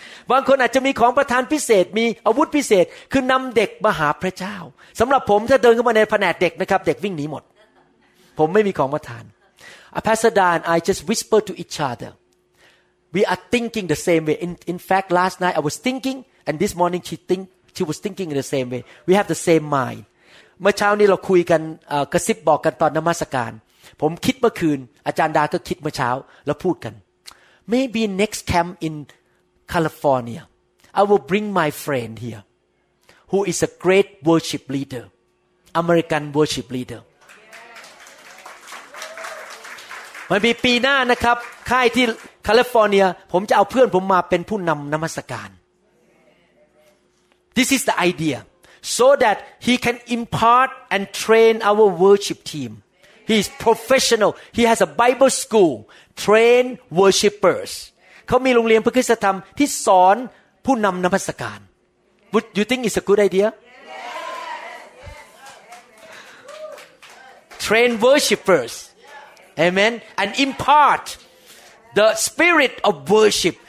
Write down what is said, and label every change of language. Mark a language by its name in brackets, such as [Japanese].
[Thai] บางคนอาจจะมีของประทานพิเศษมีอาวุธพิเศษคือนำเด็กมาหาพระเจ้าสำหรับผมถ้าเดินเข้ามาในแผนกเด็กนะครับเด็กวิ่งหนีหมดผมไม่มีของประทาน [English] Pastor Dan, I just whisper to each other. We are thinking the same way. In fact, last night I was thinking, and this morning she was thinking in the same way. We have the same mind. [Thai] เมื่อเช้านี้เราคุยกันกระซิบบอกกันตอนนมัสการผมคิดเมื่อคืนอาจารย์ดาก็คิดเมื่อเช้าแล้วพูดกัน [English] Maybe next camp in California, I will bring my friend here, who is a great worship leader, American worship leader. [Thai] มันมีปีหน้านะครับค่ายที่แคลิฟอร์เนียผมจะเอาเพื่อนผมมาเป็นผู้นำนมัสการ [English] This is the idea, so that he can impart and train our worship team. He is professional. He has a Bible school, train worshipers. [Thai] เขามีโรงเรียนพระคริสตธรรมที่สอน ผู้นำนมัสการ [English] Would you think it's a good idea? Train worshipers. Amen. And impart the spirit of worship.